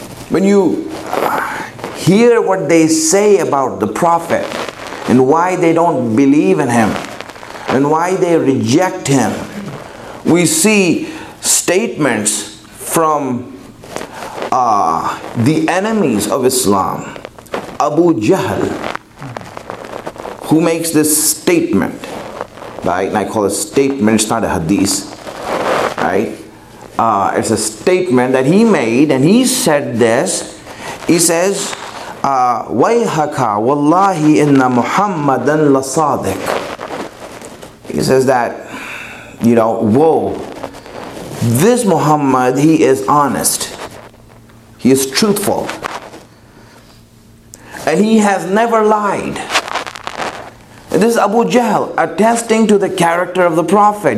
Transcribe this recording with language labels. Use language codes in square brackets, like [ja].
[en] When you hear what they say about the prophet and why they don't believe in him and why they reject him, we see statements from the enemies of Islam. Abu Jahl, who makes this statement, right? And I call it a statement, it's not a hadith, right? It's a statement that he made, and he said this. He says, [ar] وَيْهَكَ وَاللَّهِ إِنَّ مُحَمَّدًا لَصَادِقٌ. [en] He says that, you know, whoa, this Muhammad, he is honest. He is truthful. And he has never lied. And this is Abu Jahl attesting to the character of the Prophet.